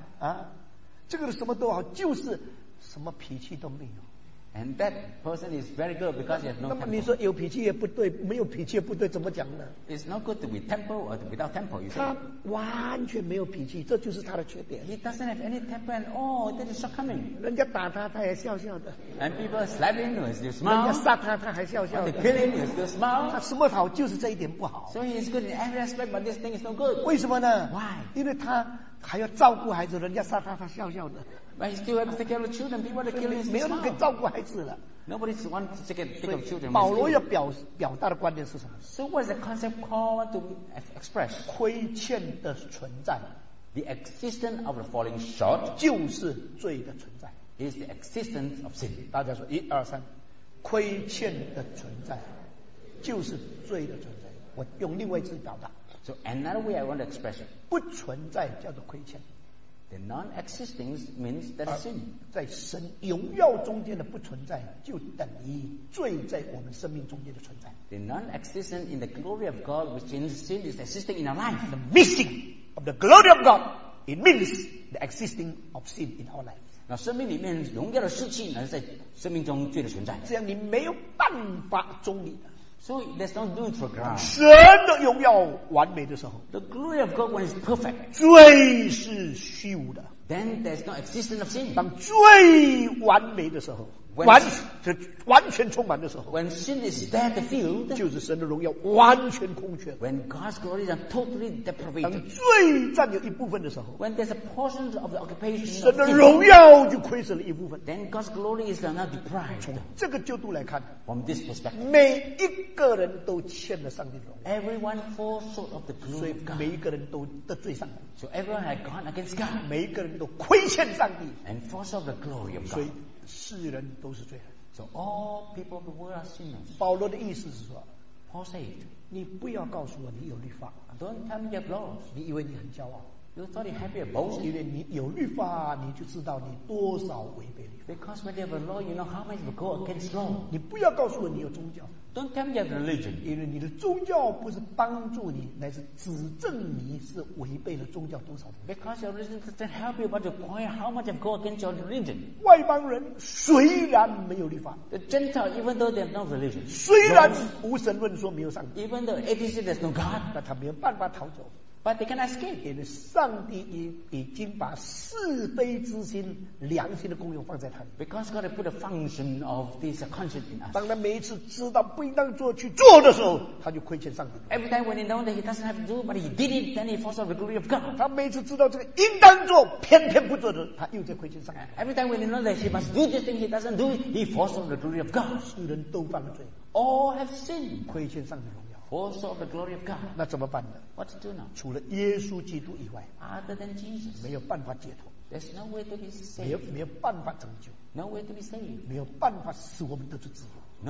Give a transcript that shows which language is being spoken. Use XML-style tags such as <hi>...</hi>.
<zh>啊，这个人什么都好，就是什么脾气都没有。</zh> <en>And that person is very good because he has no temper.</en> <zh>那么你说有脾气也不对，没有脾气也不对，怎么讲呢？</zh> <en>It's not good to be temper or without temper, you say.</en> <zh>他完全没有脾气，这就是他的缺点。</zh> <en>He doesn't have any temper at all. That is shortcoming.</en> <zh>人家打他，他也笑笑的。</zh> <en>And people slap him, he still smile.</en> <zh>人家杀他，他还笑笑的。</zh> <en>But they kill him, he still smile.</en> <zh>他什么好，就是这一点不好。</zh> <en>So he is good in every aspect, but this thing is no good.</en> <zh>为什么呢？</zh> <en>Why?</en> <zh>因为他还要照顾孩子，人家杀他，他笑笑的。</zh> <en>But he still has to take care of children. People are killing his child.</en> <zh>没有人可以照顾孩子了。</zh> <en>Nobody wants to take care of children.</en> <zh>保罗要表达的观点是什么？</zh> <en>So what is the concept called to express?</en> <zh>亏欠的存在。</zh> <en>The existence of the falling short.</en> <zh>就是罪的存在。</zh> <en>Is the existence of sin.</en> <zh>大家说一二三，亏欠的存在就是罪的存在。我用另外一次表达。</zh> <en>So another way I want to express it.</en> <zh>不存在叫做亏欠。</zh> <en>The non-existing means that sin.</en> <zh>在神荣耀中间的不存在，就等于罪在我们生命中间的存在。</zh> <en>The non-existing in the glory of God, which means sin is existing in our life. The missing of the glory of God, it means the existing of sin in our life.</en> <zh>那生命里面荣耀的事情呢，在生命中罪的存在，这样你没有办法中立的。</zh> <en>So let's not do it for granted.</en> <zh>神的荣耀完美的时候</zh> <en>，the glory of God when it's perfect.</en> <zh>罪是虚无的</zh> <en>，then there's no existence of sin.</en> <zh>当罪完美的时候 完全充满的时候</zh> <en>，when sin is dead filled,</en> <zh>就是神的荣耀完全空缺</zh> <en>，when God's glory is totally deprived.</en> <zh>当罪占有一部分的时候</zh> <en>，when there's a portion of the occupation,</en> <zh>神的荣耀就亏损了一部分</zh> <en>，then God's glory is now deprived.</en> <zh>从这个角度来看</zh> <en>，from this perspective,</en> <zh>每一个人都欠了上帝的荣耀</zh> <en>，everyone falls short of the glory of God.</en> <zh>每一个人都得罪上帝</zh> <en>，so everyone has gone against God.</en> <zh>每一个人都亏欠上帝</zh> <en>，and falls short of the glory of God.</en> <zh>世人都是罪人</zh> <en>，so all people of the world are sinners.</en> <zh>保罗的意思是说</zh> <en>，Paul said，</en> <zh>你不要告诉我你有律法</zh> <en>，Don't tell me you have laws.</en> <zh>你以为你很骄傲</zh> <en>？You thought you have a boast.</en> <zh>因为你有律法，你就知道你多少违背律法。</zh> <en>Because when you have a law, you know how much you go against law.</en> <zh>你不要告诉我你有宗教</zh> <en>，Don't tell me you have religion.</en> <zh>因为你的宗教不是帮助你，乃是指证你是违背了宗教多少。</zh> <en>Because your religion doesn't help you, but to point how much you go against your religion.</en> <zh>外邦人虽然没有律法</zh> <en>，The Gentile even though they have no religion.</en> <zh>虽然无神论说没有上帝</zh> <en>，Even though atheists say there's no God.</en> <zh>但他没有办法逃走。</zh> <en>But they can escape.</en> <zh>因为上帝已经把是非之心、良心的功用放在他里。</zh> <en>Because God put a function of this conscience in us.</en> <zh>当他每一次知道不应当做去做的时候，他就亏欠上帝。</zh> <en>Every time when he knows that he doesn't have to do, but he did it, then he falls short of the glory of God.</en> <zh>他每一次知道这个应当做，偏偏不做的，他又在亏欠上帝。</zh> <en>Every time when he knows that he must do this thing, he doesn't do it, he falls short of the glory of God.</en> <zh>世人都犯了罪</zh> <en>，All have sinned.</en> <zh>亏欠上帝。</zh> <en>Falls of the glory of God.</en> <zh>那怎么办呢</zh> <en>？What to do now?</en> <zh>除了耶稣基督以外</zh> <en>，Other than Jesus,</en> <zh>没有办法解脱。</zh> <en>There's no way to be saved.</en> <zh>没有办法成就。</zh> <en>No way to be saved.</en> <zh>没有办法使我们得出自由。</zh>